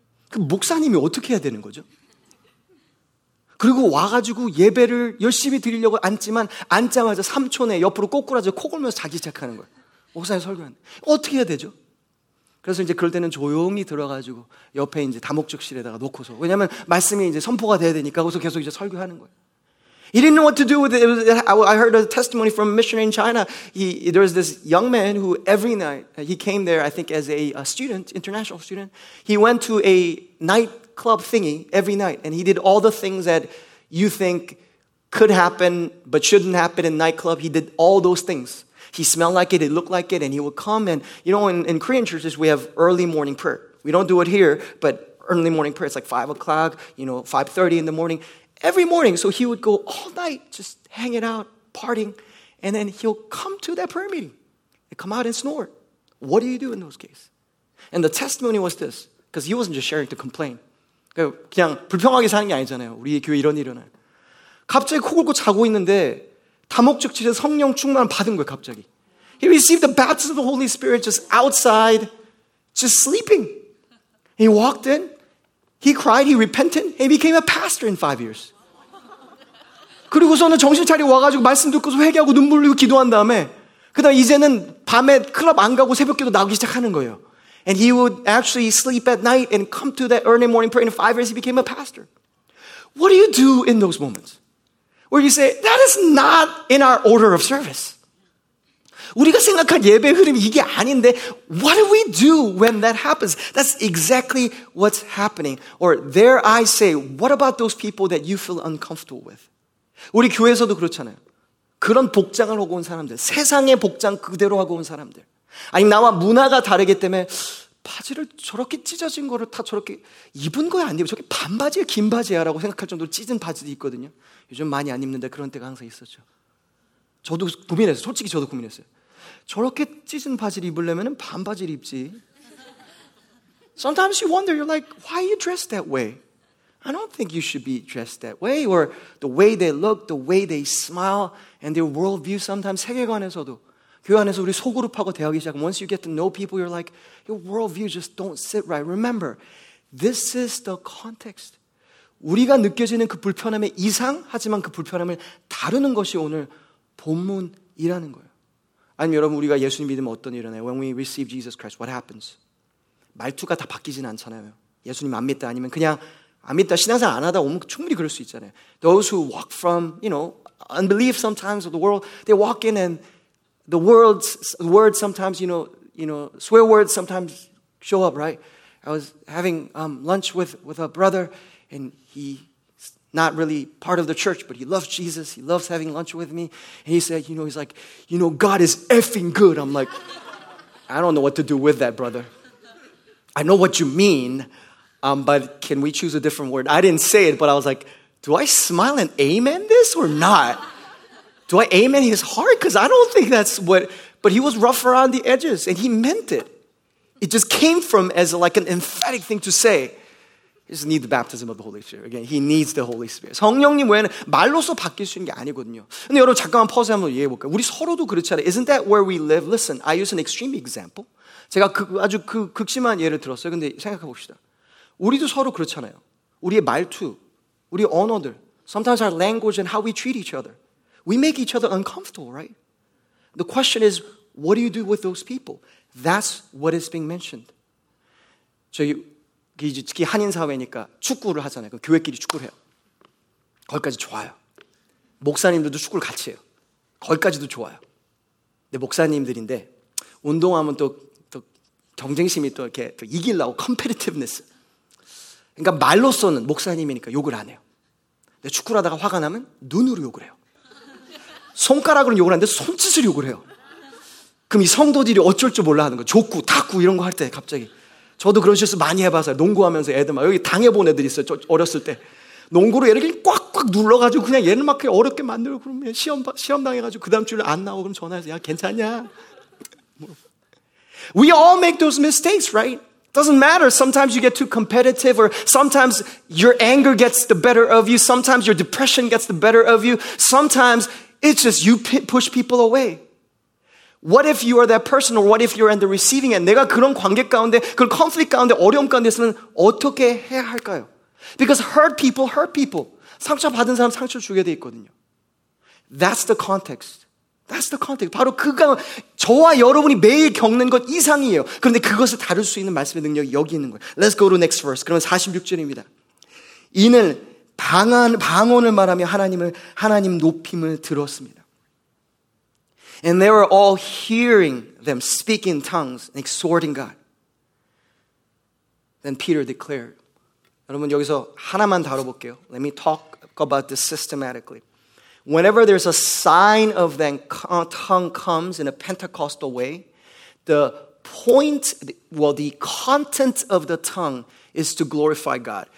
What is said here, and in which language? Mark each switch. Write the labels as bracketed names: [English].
[Korean] 그 목사님이 어떻게 해야 되는 거죠? 그리고 와가지고 예배를 열심히 드리려고 앉지만 앉자마자 3초 내에 옆으로 꼬꾸라져 코 골면서 자기 시작하는 거예요. 목사님 설교하는 어떻게 해야 되죠? 그래서 이제 그럴 때는 조용히 들어가지고 옆에 이제 다목적실에다가 놓고서 왜냐하면 말씀이 이제 선포가 돼야 되니까 거기서 계속 이제 설교하는 거예요. [English] He didn't know what to do with it. I heard a testimony from a missionary in China. There was this young man who every night, he came there I think as a student, international student. He went to a nightclub thingy every night. And he did all the things that you think could happen but shouldn't happen in nightclub. He did all those things. He smelled like it, it looked like it, and he would come. And you know, in Korean churches, we have early morning prayer. We don't do it here, but early morning prayer, it's like 5 o'clock, you know, 5:30 in the morning. Every morning, so he would go all night, just hanging out, partying, and then he'll come to that prayer meeting and come out and snore. What do you do in those cases? And the testimony was this, because he wasn't just sharing to complain. [Korean] 그냥 불평하게 사는 게 아니잖아요. 우리 교회 이런 일은. 갑자기 코 골고 자고 있는데 다목적실에 성령 충만 받은 거예요, 갑자기. [English] He received the baptism of the Holy Spirit just outside, just sleeping. He walked in. He cried, he repented, and he became a pastor in 5 years. [Korean] 그리고서는 정신 차리고 와가지고 말씀 듣고서 회개하고 눈물 흘리고 기도한 다음에 그 다음 이제는 밤에 클럽 안 가고 새벽 기도 나오기 시작하는 거예요. [English] And he would actually sleep at night and come to that early morning prayer. In 5 years, he became a pastor. What do you do in those moments? Where you say, that is not in our order of service. [Korean] 우리가 생각한 예배 흐름이 이게 아닌데 [English] what do we do when that happens? That's exactly what's happening. Or there I say, what about those people that you feel uncomfortable with? [Korean] 우리 교회에서도 그렇잖아요. 그런 복장을 하고 온 사람들, 세상의 복장 그대로 하고 온 사람들. 아니 나와 문화가 다르기 때문에 바지를 저렇게 찢어진 거를 다 저렇게 입은 거야 안 입어? 저게 반바지야 긴바지야 라고 생각할 정도로 찢은 바지도 있거든요. 요즘 많이 안 입는데 그런 때가 항상 있었죠. 저도 고민했어요. 솔직히 저도 고민했어요. 저렇게 찢은 바지를 입으려면 반바지를 입지. [English] Sometimes you wonder, you're like, why are you dressed that way? I don't think you should be dressed that way. Or the way they look, the way they smile, and their worldview sometimes. [Korean] 세계관에서도. 교회 안에서 우리 소그룹하고 대화하기 시작하면 [English] once you get to know people, you're like, your worldview just don't sit right. Remember, this is the context. [Korean] 우리가 느껴지는 그 불편함의 이상, 하지만 그 불편함을 다루는 것이 오늘 본문이라는 거예요. 아니면 여러분 우리가 예수님 믿으면 어떤 일이 일어나요? [English] When we receive Jesus Christ, what happens? [Korean] 말투가 다 바뀌진 않잖아요. 예수님 안 믿다 아니면 그냥 안 믿다 신앙생 안 하다 오면 충분히 그럴 수 있잖아요. [English] Those who walk from, you know, unbelief sometimes of the world, they walk in and the world's word sometimes, you know, swear words sometimes show up, right? I was having lunch with a brother and he's not really part of the church, but he loves Jesus. He loves having lunch with me. And he said, he's like, God is effing good. I'm like, I don't know what to do with that, brother. I know what you mean, but can we choose a different word? I didn't say it, but I was like, do I smile and amen this or not? Do I amen his heart? Because I don't think that's what, but he was rough around the edges and he meant it. It just came from as like an emphatic thing to say. He just needs the baptism of the Holy Spirit. Again, he needs the Holy Spirit. [Korean] 성령님 외에는 말로서 바뀔 수 있는 게 아니거든요. 근데 여러분 잠깐만 퍼즈 한번 이해해 볼까요? 우리 서로도 그렇지 않아요? [English] Isn't that where we live? Listen, I use an extreme example. [Korean] 제가 아주 극심한 예를 들었어요. 근데 생각해 봅시다. 우리도 서로 그렇잖아요. 우리의 말투, 우리 언어들, [English] sometimes our language and how we treat each other. We make each other uncomfortable, right? The question is, what do you do with those people? That's what is being mentioned. [Korean] 저희 특히 한인 사회니까 축구를 하잖아요. 그 교회끼리 축구를 해요. 거기까지 좋아요. 목사님들도 축구를 같이 해요. 거기까지도 좋아요. 근데 목사님들인데 운동하면 또 경쟁심이 또 이렇게 또 이기려고 competitiveness. 그러니까 말로서는 목사님이니까 욕을 안 해요. 근데 축구를 하다가 화가 나면 눈으로 욕을 해요. 손가락으로는 욕을 하는데 손짓을 욕을 해요. 그럼 이 성도들이 어쩔 줄 몰라 하는 거 족구, 탁구 이런 거 할 때 갑자기 저도 그런 실수 많이 해봤어요. 농구하면서 애들 막 여기 당해본 애들 있어요. 어렸을 때 농구로 얘를 그냥 꽉꽉 눌러가지고 그냥 얘는 막 그냥 어렵게 만들고 그러면 시험 당해가지고 그 다음 주에 안 나오고 그럼 전화해서 야 괜찮냐? [English] We all make those mistakes, right? Doesn't matter. Sometimes you get too competitive or sometimes your anger gets the better of you. Sometimes your depression gets the better of you. Sometimes it's just you push people away. What if you are that person or what if you're in the receiving end? [Korean] 내가 그런 관계 가운데, 그런 conflict 가운데, 어려움 가운데서는 어떻게 해야 할까요? [English] Because hurt people hurt people. [Korean] 상처 받은 사람 상처 주게 돼 있거든요. [English] That's the context. That's the context. [Korean] 바로 그가 저와 여러분이 매일 겪는 것 이상이에요. 그런데 그것을 다룰 수 있는 말씀의 능력이 여기 있는 거예요. [English] Let's go to next verse. [Korean] 그러면 46절입니다. 이는 방언을 말하며 하나님 높임을 들었습니다. [English] And they were all hearing them speak in tongues and exhorting God. Then Peter declared. [Korean] 여러분 여기서 하나만 다뤄볼게요. [English] Let me talk about this systematically. Whenever there's a sign of that tongue comes in a Pentecostal way, the point, well, the content of the tongue is to glorify God.